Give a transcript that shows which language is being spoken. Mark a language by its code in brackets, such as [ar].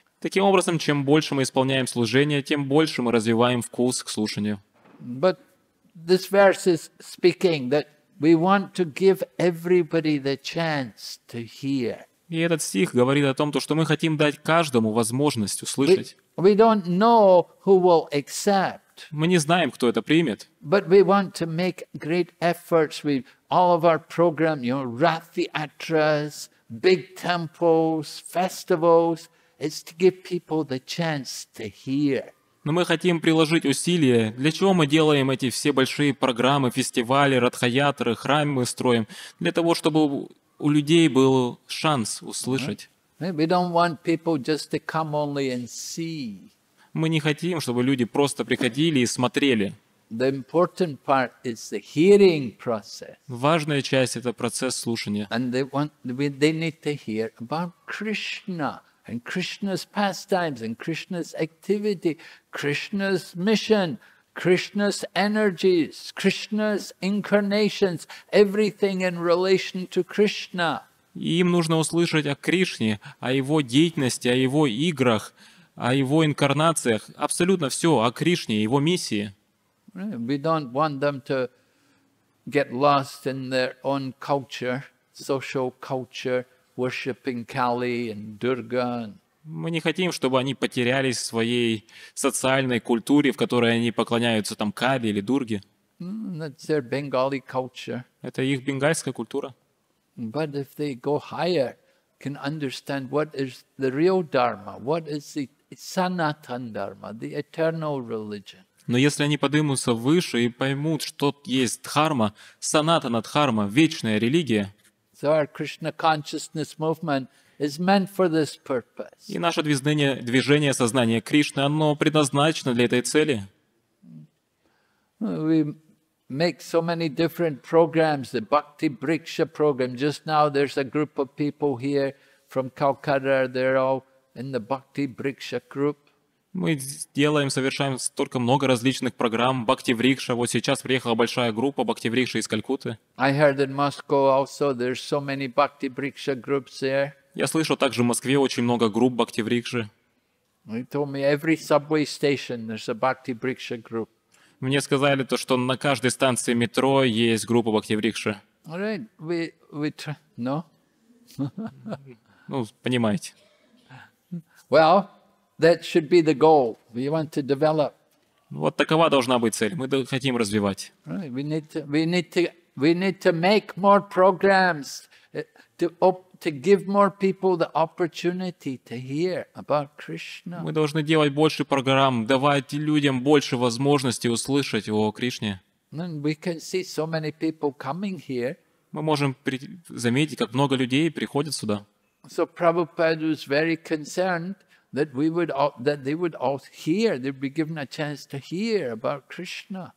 [ru] Таким образом, чем больше мы исполняем служение, тем больше мы развиваем вкус к слушанию. [en] But this verse is speaking that we want to give everybody the chance to hear. [ru] И этот стих говорит о том, что мы хотим дать каждому возможность услышать. [en] We don't know who will accept. [ru] Мы не знаем, кто это примет. [en] But we want to make great efforts with all of our program, you know, Rathiatras, big temples, festivals. It's to give people the chance to hear. [ru] Но мы хотим приложить усилия. Для чего мы делаем эти все большие программы, фестивали, радхаятры, храмы мы строим? Для того, чтобы у людей был шанс услышать. [en] We don't want people just to come only and see. [ru] Мы не хотим, чтобы люди просто приходили и смотрели. [en] The important part is the hearing process. [ru] Важная часть — это процесс слушания. [en] And they need to hear about Krishna. And Krishna's pastimes, and Krishna's activity, Krishna's mission, Krishna's energies, Krishna's incarnations, everything in relation to Krishna. [ru] Им нужно услышать о Кришне, о его деятельности, о его играх, о его инкарнациях, абсолютно все о Кришне, его миссии. [en] We don't want them to get lost in their own culture, social culture, worshiping Kali and Durga. [ru] Мы не хотим, чтобы они потерялись в своей социальной культуре, в которой они поклоняются там Кали или Дурге. [en] That's their Bengali culture. [ru] Это их бенгальская культура. [en] But if they go higher, can understand what is the real dharma, what is the sanatan dharma, the eternal religion. [ru] Но если они поднимутся выше и поймут, что есть дхарма, санатана дхарма, вечная религия. [en] So our Krishna consciousness movement is meant for this purpose. [ru] И наше движение, движение сознания Кришны, оно предназначено для этой цели. [en] We make so many different programs, the Bhakti Briksha program. Just now there's a group of people here from Calcutta, they're all in the Bhakti Briksha group. [ru] Мы делаем, совершаем столько много различных программ. Бхакти Врикша. Вот сейчас приехала большая группа Бхакти Врикша из Калькутты. [en] I heard in Moscow also there's so many Bhakti Briksha groups there. [ru] Я слышал также в Москве очень много групп Бхакти Врикши. [en] They told me every subway station there's a Bhakti Briksha group. [ru] Мне сказали то, что на каждой станции метро есть группа Бхакти Врикши. [en] All right, no. [ru] Ну, понимаете. [en] Well. That should be the goal. We want to develop. [ru] Вот такова должна быть цель. Мы хотим развивать. [en] Right. We need to make more programs to give more people the opportunity to hear about Krishna. [ru] Мы должны делать больше программ, давать людям больше возможностей услышать о Кришне. [en] And we can see so many people coming here. [ru] Мы можем заметить, как много людей приходят сюда. [en] So Prabhupada was very concerned. That we would all, that they would all hear, they'd be given a chance to hear about Krishna.